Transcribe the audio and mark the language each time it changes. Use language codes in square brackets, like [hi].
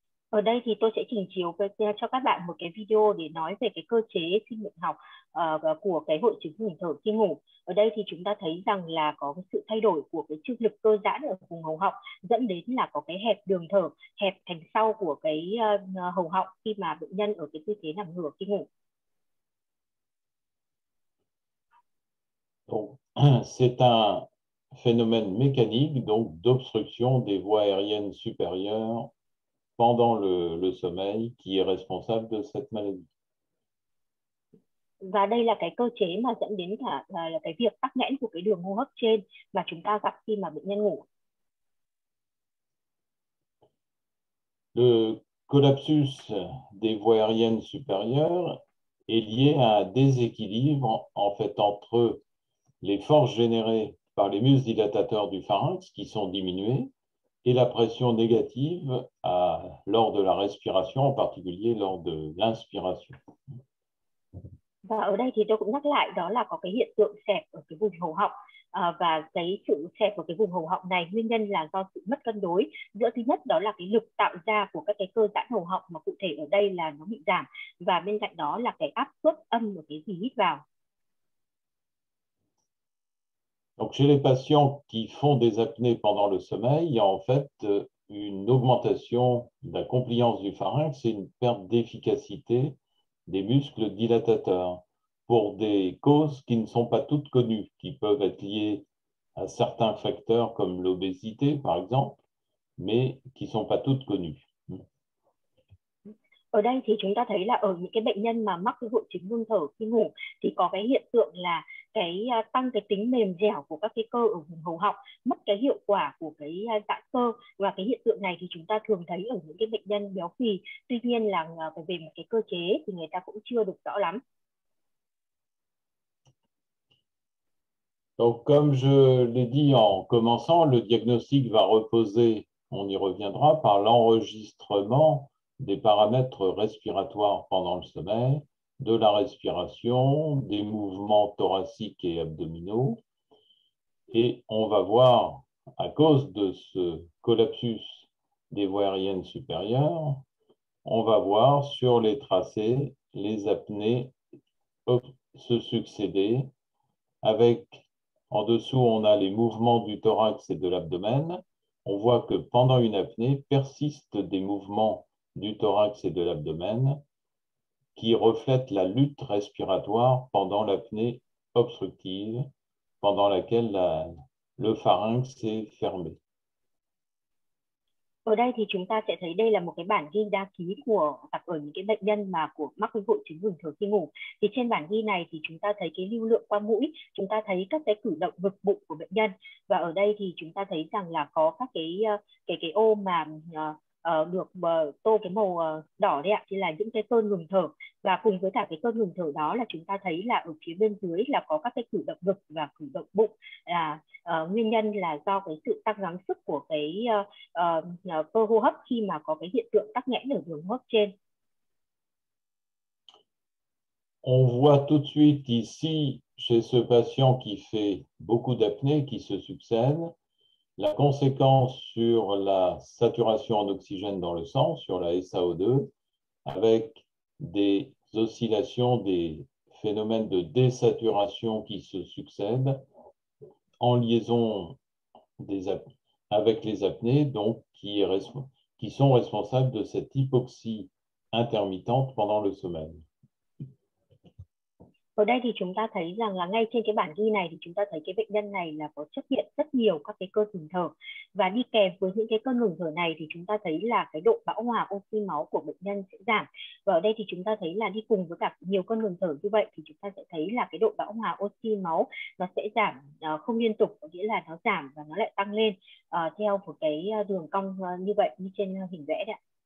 [vi] Ở đây thì tôi sẽ trình chiếu cho các bạn một cái video để nói về cái cơ chế sinh miệng học của cái hội chứng ngừng thở khi ngủ. Ở đây thì chúng ta thấy rằng là có cái sự thay đổi của cái trương lực cơ giãn ở vùng hầu họng, dẫn đến là có cái hẹp đường thở, hẹp thành sau của cái hầu họng khi mà bệnh nhân ở cái tư thế nằm ngửa khi ngủ. [fr] Donc, c'est un phénomène mécanique donc d'obstruction des voies aériennes supérieures pendant le sommeil qui est responsable de cette maladie. [vi] Và đây là cái cơ chế mà dẫn đến cả là cái việc tắc nghẽn của cái đường hô hấp trên mà chúng ta gặp khi mà bệnh nhân ngủ. [fr] Le collapsus des voies aériennes supérieures est lié à un déséquilibre en fait entre les forces générées par les muscles dilatateurs du pharynx qui sont diminuées et la pression négative lors de la respiration, en particulier lors de l'inspiration. [vi] Và ở đây thì tôi cũng nhắc lại đó là có cái hiện tượng xẹp ở cái vùng hầu họng, và cái sự xẹp ở cái vùng hầu họng này nguyên nhân là do sự mất cân đối giữa thứ nhất đó là cái lực tạo ra của các cái cơ giãn hầu họng, mà cụ thể ở đây là nó bị giảm, và bên cạnh đó là cái áp suất âm của cái gì hít vào. [fr] Donc chez les patients qui font des apnées pendant le sommeil, il y a en fait une augmentation de la compliance du pharynx et une perte d'efficacité des muscles dilatateurs pour des causes qui ne sont pas toutes connues, qui peuvent être liées à certains facteurs comme l'obésité, par exemple, mais qui ne sont pas toutes connues. [vi] Ở đây thì chúng ta thấy là ở những cái bệnh nhân mà mắc cái hội chứng ngưng thở khi ngủ thì có cái hiện tượng là cái tăng cái tính mềm dẻo của các cái cơ ở vùng hầu họng, mất cái hiệu quả của cái giãn cơ, và cái hiện tượng này thì chúng ta thường thấy ở những cái bệnh nhân béo phì, tuy nhiên là về một cái cơ chế thì người ta cũng chưa được rõ lắm. [fr] Donc comme je l'ai dit en commençant, le diagnostic va reposer, on y reviendra, par l'enregistrement des paramètres respiratoires pendant le sommeil, de la respiration, des mouvements thoraciques et abdominaux. Et on va voir, à cause de ce collapsus des voies aériennes supérieures, on va voir sur les tracés les apnées se succéder. Avec, en dessous, on a les mouvements du thorax et de l'abdomen. On voit que pendant une apnée, persistent des mouvements du thorax et de l'abdomen qui reflète la lutte respiratoire pendant l'apnée obstructive pendant laquelle le pharynx est fermé. [vi] Ở đây thì chúng ta sẽ thấy đây là một cái bản ghi đa ký của đặt ở những cái bệnh nhân mà của mắc cái hội chứng ngừng thở khi ngủ. Thì trên bản ghi này thì chúng ta thấy cái lưu lượng qua mũi, chúng ta thấy các cái cử động vực bụng của bệnh nhân, và ở đây thì chúng ta thấy rằng là có các cái ô mà được tô cái màu đỏ đấy ạ, thì là những cái cơn ngừng thở, và cùng với cả cái cơn ngừng thở đó là chúng ta thấy là ở phía bên dưới là có các cái cử động ngực và cử động bụng, là nguyên nhân là do cái sự tăng gắng sức của cái cơ hô hấp khi mà có cái hiện tượng tắc nghẽn ở đường hô hấp trên. [fr] On voit tout de suite ici, chez ce patient qui fait beaucoup d'apnées qui se succèdent, la conséquence sur la saturation en oxygène dans le sang, sur la SaO2, avec des oscillations, des phénomènes de désaturation qui se succèdent en liaison avec les apnées, donc qui sont responsables de cette hypoxie intermittente pendant le sommeil. [vi] Ở đây thì chúng ta thấy rằng là ngay trên cái bản ghi này thì chúng ta thấy cái bệnh nhân này là có xuất hiện rất nhiều các cái cơn ngừng thở, và đi kèm với những cái cơn ngừng thở này thì chúng ta thấy là cái độ bão hòa oxy máu của bệnh nhân sẽ giảm. Và ở đây thì chúng ta thấy là đi cùng với cả nhiều cơn ngừng thở như vậy thì chúng ta sẽ thấy là cái độ bão hòa oxy máu nó sẽ giảm không liên tục, có nghĩa là nó giảm và nó lại tăng lên theo một cái đường cong như vậy như trên hình vẽ đấy ạ.